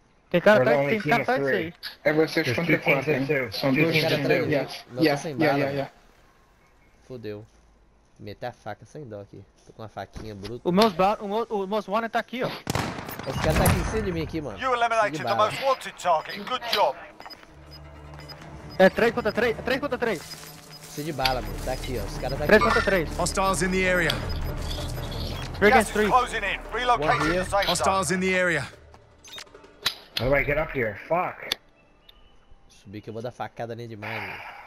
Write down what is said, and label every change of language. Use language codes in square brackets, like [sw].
[pt] Tem cara perto aí. É vocês com o que fazem. São dois caras atrás. Yeah. Fodeu. Meter a faca sem dó aqui. Tô com uma faquinha bruta. O most wanted tá aqui, ó. Esse cara tá aqui em cima de mim aqui, mano. [en] You eliminated the most wanted target. Good job. [pt] É 3 contra 3. É 3 contra 3. Precisa de bala, mano. Tá aqui, ó. Esse cara tá aqui. 3 contra 3. [en] Hostiles in the area. 3 against 3. Closing in. Relocating the safe zone. Hostiles in the area. How do I get up here? Fuck. [pt] Subi que eu vou dar facada nele demais, mano.